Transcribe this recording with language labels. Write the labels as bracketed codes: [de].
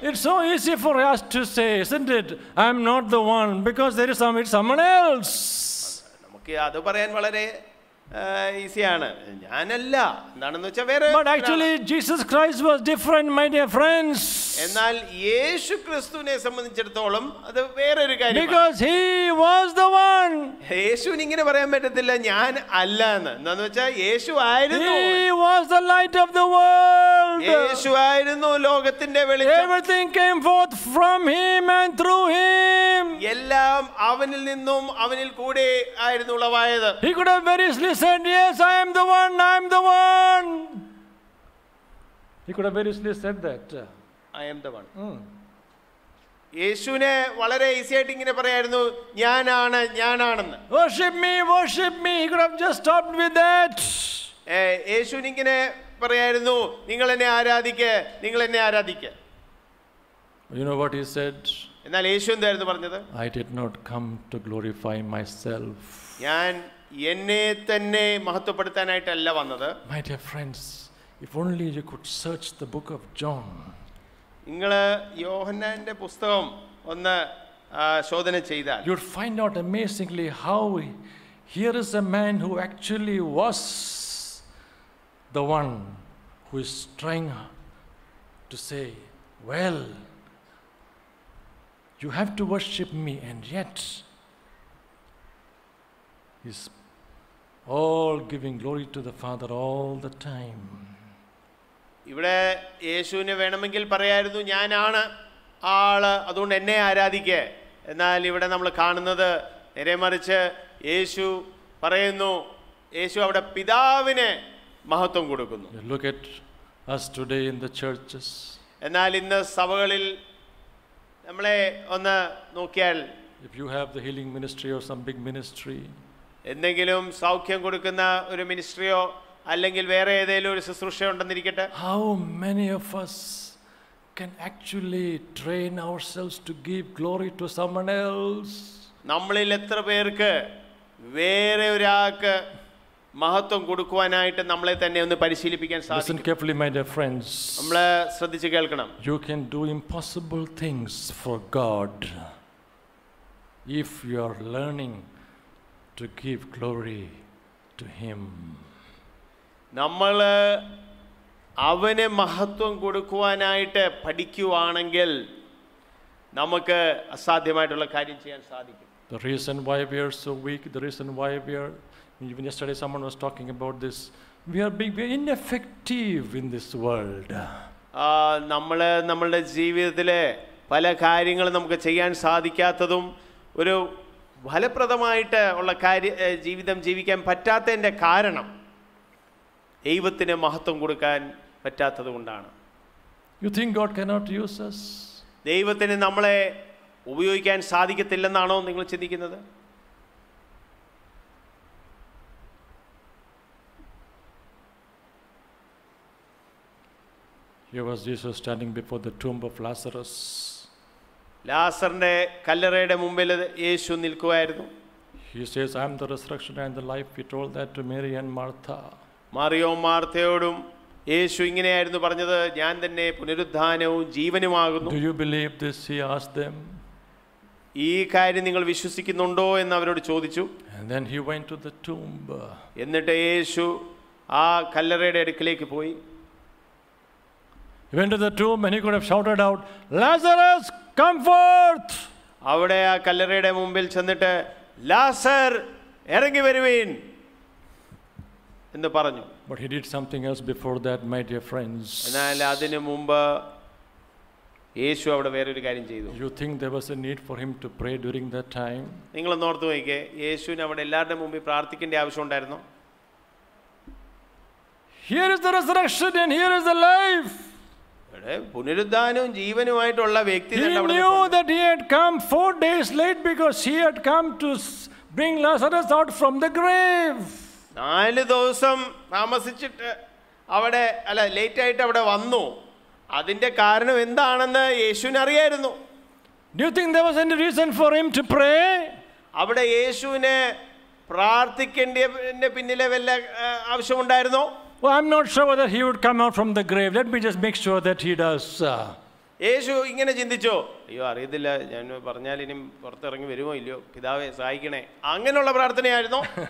[en] It's so easy for us to say, isn't it? I am not the one, because there is someone else. [ml] നമുക്ക് അത് പറയാൻ വളരെ ഈസിയാണ്, ഞാനല്ല എന്താണെന്ന് വെച്ചാൽ വേറെ. [en] But actually Jesus Christ was different, my dear friends. [ml] എന്നാൽ യേശു ക്രിസ്തുവിനെ സംബന്ധിച്ചിടത്തോളം അത് വേറൊരു കാര്യം. [en] Because he was the one. [ml] യേശുവിന് ഇങ്ങനെ പറയാൻ പറ്റത്തില്ല ഞാൻ അല്ല എന്ന്. എന്താന്ന് വെച്ചാൽ യേശു ആയിരുന്നു. [en] He was the light of the world. [ml] യേശു ആയിരുന്നു ലോകത്തിന്റെ വെളിച്ചം. [en] Everything came forth from him and through him. [ml] എല്ലാം അവനിൽ നിന്നും അവനിൽ കൂടെ ആയിരുന്നു ഉളവായത്. [en] He could have very easily said, yes, I am the one, I am the one. He could have very easily said that. I am the one. [ml] യേശുവിനെ വളരെ easy ആയിട്ട് ഇങ്ങനെ പറയായിരുന്നു, ഞാനാണ് ഞാനാണെന്ന്. [en] Worship me, worship me. He could have just stopped with that. [ml] യേശുവിനെ ഇങ്ങനെ പറയായിരുന്നു, നിങ്ങൾ എന്നെ ആരാധിക്ക, നിങ്ങൾ എന്നെ ആരാധിക്ക. [en] You know what he said? [ml] എന്നാൽ യേശു എന്തായിരുന്നു പറഞ്ഞത്? [en] I did not come to glorify myself. [ml] ഞാൻ എന്നെ തന്നെ മഹത്വപ്പെടുത്താനായിട്ടല്ല വന്നത്. [en] My dear friends, if only you could search the book of John. [ml] നിങ്ങൾ യോഹന്നാന്റെ പുസ്തകം ഒന്ന് ശോധന ചെയ്താൽ [en] you'd find out amazingly how here is a man who actually was the one who is trying to say, well, you have to worship me, and yet he's all giving glory to the Father all the time. [ml] ഇവിടെ യേശുവിനെ വേണമെങ്കിൽ പറയായിരുന്നു, ഞാനാണ് ആള് അതുകൊണ്ട് എന്നെ ആരാധിക്കുക. എന്നാൽ ഇവിടെ നമ്മൾ കാണുന്നത് നേരെ മറിച്ച് യേശു പറയുന്നു, യേശു അവിടെ പിതാവിന് മഹത്വം കൊടുക്കുന്നു. [en] Look at us today in the churches. [ml] എന്നാൽ ഇന്ന് സഭകളിൽ നമ്മളെ ഒന്ന് നോക്കിയാൽ, [en] if you have the healing ministry or some big ministry, [ml] എന്തെങ്കിലും സൗഖ്യം കൊടുക്കുന്ന ഒരു മിനിസ്ട്രിയോ അല്ലെങ്കിൽ വേറെ ഏതെങ്കിലും ഒരു ശുശ്രൂഷ ഉണ്ടെന്നിരിക്കട്ടെ, [en] how many of us can actually train ourselves to give glory to someone else? [ml] നമ്മളിൽ എത്ര പേർക്ക് വേറെ ഒരാൾക്ക് മഹത്വം കൊടുക്കുവാനായിട്ട് നമ്മളെ തന്നെ ഒന്ന് പരിശീലിപ്പിക്കാൻ സാധിക്കും? [en] Listen carefully, my dear friends. [ml] നമ്മൾ ശ്രദ്ധിച്ച് കേൾക്കണം. [en] You can do impossible things for God if you are learning to give glory to him. [ml] നമ്മൾ അവന് മഹത്വം കൊടുക്കുവാനായിട്ട് പഠിക്കുവാണെങ്കിൽ നമുക്ക് അസാധ്യമായിട്ടുള്ള കാര്യം ചെയ്യാൻ സാധിക്കും. [en] The reason why we are so weak, the reason why we are, even yesterday someone was talking about this, we are ineffective in this world. [ml] നമ്മളെ നമ്മളുടെ ജീവിതത്തിലെ പല കാര്യങ്ങളും നമുക്ക് ചെയ്യാൻ സാധിക്കാത്തതും ഒരു ഫലപ്രദമായിട്ട് ഉള്ള കാര്യം ജീവിതം ജീവിക്കാൻ പറ്റാത്തതിൻ്റെ കാരണം ദൈവത്തിന് മഹത്വം കൊടുക്കാൻ പറ്റാത്തത് കൊണ്ടാണ്. [en] You think God cannot use us? [ml] ദൈവത്തിന് നമ്മളെ ഉപയോഗിക്കാൻ സാധിക്കത്തില്ലെന്നാണോ നിങ്ങൾ ചിന്തിക്കുന്നത്? [en] Here was Jesus standing before the tomb of Lazarus. [ml] ലാസറിന്റെ കല്ലറയുടെ മുമ്പിൽ യേശു നിൽക്കുകയായിരുന്നു. [en] He says, I am the resurrection and the life. He told that to Mary and Martha. [ml] മറിയവും മാർത്തയോടും യേശു ഇങ്ങനെയായിരുന്നു പറഞ്ഞത്, ഞാൻ തന്നെ പുനരുദ്ധാനവും ജീവനുമാകുന്നു. [en] Do you believe this? He asked them. [ml] ഈ കാര്യം നിങ്ങൾ വിശ്വസിക്കുന്നുണ്ടോ എന്ന് അവരോട് ചോദിച്ചു. [en] And then he went to the tomb. [ml] എന്നിട്ട് യേശു ആ കല്ലറയുടെ അടുക്കലേക്ക് പോയി. [en] He went to the tomb and he could have shouted out, Lazarus, come forth. [ml] അവിടെ ആ കല്ലറയുടെ മുമ്പിൽ ചെന്നിട്ട് ലാസർ ഇറങ്ങി വരുവീൻ. [en] But he did something else before that, my dear friends. [ml] എന്നാൽ അതിനു മുമ്പ് യേശു അവിടെ വേറൊരു കാര്യം ചെയ്തു. [en] You think there was a need for him to pray during that time? [ml] നിങ്ങൾ ഓർത്തു വെക്കേ, യേശുവിന് അവിടെ എല്ലാവരുടെ മുമ്പിൽ പ്രാർത്ഥിക്കേണ്ട ആവശ്യം ഉണ്ടായിരുന്നോ? [en] Here is the resurrection and here is the life. [ml] പുനരുദ്ധാനവും ജീവനുമായിട്ടുള്ള വ്യക്തി തന്നെ അവിടെ. [en] You knew that he had come 4 days late because he had come to bring Lazarus out from the grave. [ml] നാല് ദിവസം താമസിച്ചിട്ട് അവിടെ അല്ല ലേറ്റ് ആയിട്ട് അവിടെ വന്നു. അതിന്റെ കാരണം എന്താണെന്ന് യേശുവിന് അറിയായിരുന്നു. [en] Do you think there was any reason for him to pray? [ml] അവിടെ യേശുവിനെ പ്രാർത്ഥിക്കേണ്ടതിന്റെ പിന്നിലെ വല്ല ആവശ്യമുണ്ടായിരുന്നോ? [en] Well, I'm not sure whether he would come out from the grave. Let me just make sure that he does. [ml] യേശു ഇങ്ങനെ ചിന്തിച്ചു, അയ്യോ അറിയത്തില്ല, ഞാൻ പറഞ്ഞാൽ ഇനി പുറത്തിറങ്ങി വരുമോ ഇല്ലയോ, പിതാവേ സഹായിക്കണേ, അങ്ങനെയുള്ള പ്രാർത്ഥനയായിരുന്നു.